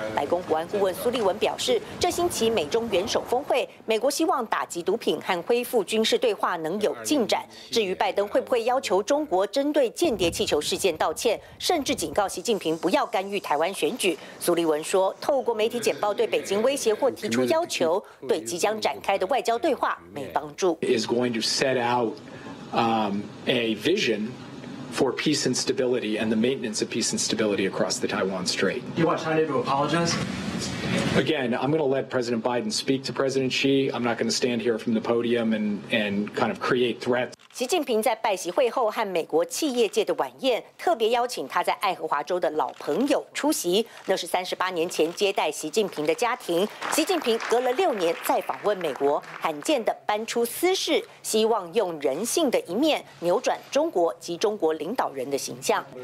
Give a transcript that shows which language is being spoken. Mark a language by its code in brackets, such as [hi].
[zh] 白宫国安顾问苏利文表示，这星期美中元首峰会，美国希望打击毒品和恢复军事对话能有进展。至于拜登会不会要求中国针对间谍气球事件道歉，甚至警告习近平不要干预台湾选举，苏利文说，透过媒体简报对北京威胁或提出要求，对即将展开的外交对话没帮助。 [en] Is going to set out a vision for peace and stability and the maintenance of peace and stability across the Taiwan Strait. You want China to apologize? Again, I'm going to let President Biden speak to President Xi. I'm not going to stand here from the podium and kind of create threats. [zh] 习近平在拜习会后和美国企业界的晚宴，特别邀请他在爱荷华州的老朋友出席。那是三十八年前接待习近平的家庭。习近平隔了六年再访问美国，罕见的搬出私事，希望用人性的一面扭转中国及中国领导人的形象。